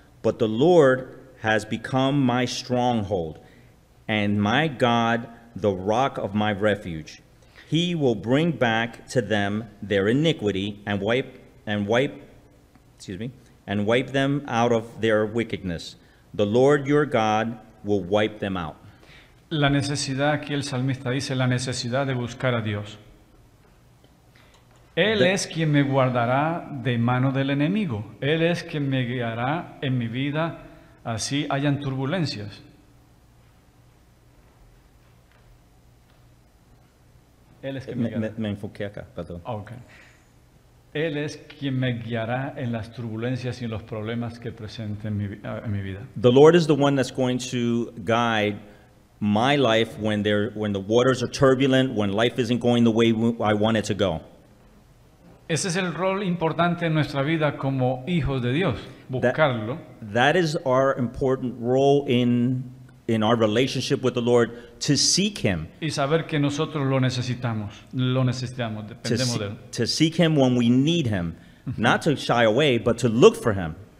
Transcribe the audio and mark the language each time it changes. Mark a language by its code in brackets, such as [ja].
[en] But the Lord has become my stronghold and my God, the rock of my refuge. He will bring back to them their iniquity and wipe them out of their wickedness. The Lord your God will wipe them out. [es] La necesidad, aquí el salmista dice, la necesidad de buscar a Dios. Él es quien me guardará de mano del enemigo. Él es quien me guiará en mi vida, así hayan turbulencias. Él es quien me enfoqué acá, perdón. [en] Okay. [es] Él es quien me guiará en las turbulencias y en los problemas que presente en mi vida. [en] The Lord is the one that's going to guide my life when the waters are turbulent, when life isn't going the way I want it to go. [es] Ese es el rol importante en nuestra vida como hijos de Dios, buscarlo. [en] That is our important role in our relationship with the Lord, to seek Him. [es] Y saber que nosotros lo necesitamos, dependemos de Él. [en] To seek Him when we need Him. Not to shy away, but to look for Him.